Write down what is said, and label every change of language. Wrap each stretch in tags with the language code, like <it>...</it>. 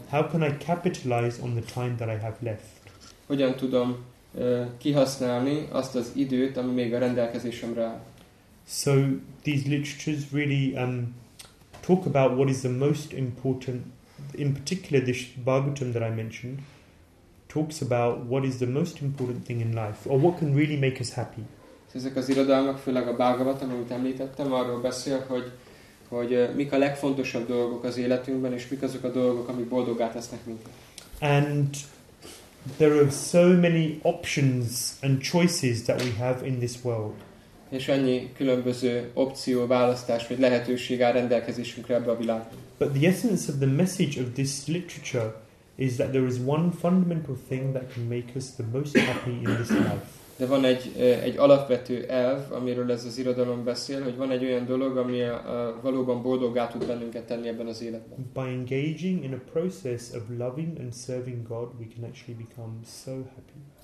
<en>How can I capitalize on the time that I have left?</en> <hu>Hogyan tudom kihasználni azt az időt, ami még a rendelkezésemre áll?</hu> <en>So these literatures really talk about what is the most important, in particular this Bhagavatam that I mentioned, talks about what is the most important thing in life, or what can really make us happy.</en> <hu>Ezek az irodalmak, főleg a Bhagavatam, amit említettem, arról beszél, hogy mik a legfontosabb dolgok az életünkben, és mik azok a dolgok, amik boldoggá tesznek minket.</hu> <en>And there are so many options and choices that we have in this world.</en> <hu>És annyi különböző opció, választás vagy lehetőség áll rendelkezésünkre ebbe a világban.</hu> <en>But the essence of the message of this literature is that there is one fundamental thing that can make us the most happy in this life.</en> <hu>De van egy alapvető elv, amiről ez az irodalom beszél, hogy van egy olyan dolog, ami valóban boldoggá tud bennünket tenni ebben az életben.</hu> <en>By engaging in a process of loving and serving God, we can actually become so happy.</en>